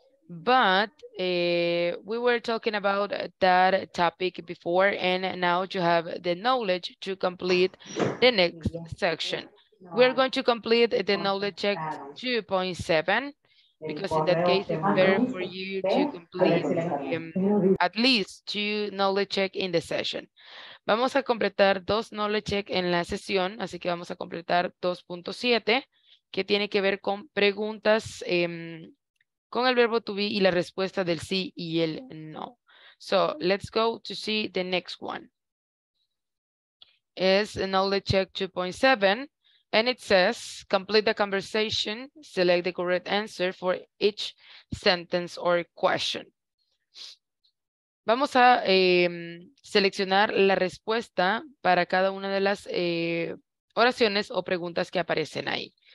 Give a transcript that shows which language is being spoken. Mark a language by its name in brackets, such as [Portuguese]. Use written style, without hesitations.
[English] But we were talking about that topic before, and now you have the knowledge to complete the next section. We're going to complete the knowledge check 2.7. Because in that case, it's better for you to complete at least 2 knowledge check in the session. [Spanish] Vamos a completar 2 knowledge check en la sesión, así que vamos a completar 2.7, que tiene que ver con preguntas con el verbo to be y la respuesta del sí y el no. [English] So, let's go to see the next one. It's knowledge check 2.7. And it says, complete the conversation, select the correct answer for each sentence or question. [Spanish] Vamos a seleccionar la respuesta para cada una de las oraciones o preguntas que aparecen ahí.